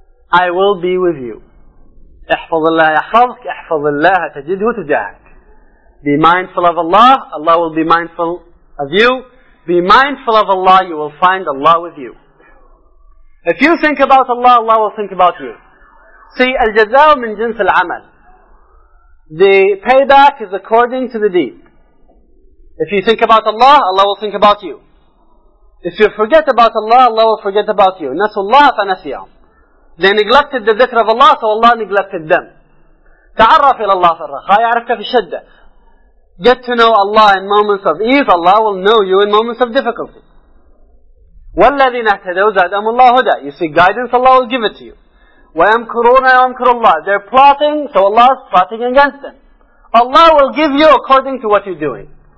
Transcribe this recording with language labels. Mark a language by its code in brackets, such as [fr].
[en] I will be with you. [ar] احفظ الله يحفظك احفظ الله تجده تجاهك. [en] Be mindful of Allah. Allah will be mindful of you. Be mindful of Allah. You will find Allah with you. If you think about Allah, Allah will think about you. See, [ar] الجزاء من جنس العمل. [en] The payback is according to the deed. If you think about Allah, Allah will think about you. If you forget about Allah, Allah will forget about you. [ar] نَسُوا اللَّهَ فَنَسِيَهُمْ. [en] They neglected the dhikr of Allah, so Allah neglected them. [ar] تعرف إلى الله في الرخاء يعرفك في الشدة. [en] Get to know Allah in moments of ease, Allah will know you in moments of difficulty. [ar] وَالَّذِينَ اهْتَدَوْا زَادَهُمُ اللَّهُ هُدًى. [en] You seek guidance, Allah will give it to you. [ar] وَيَمْكُرُونَ وَيَمْكُرُ اللَّهِ. [en] They're plotting, so Allah is plotting against them. Allah will give you according to what you're doing.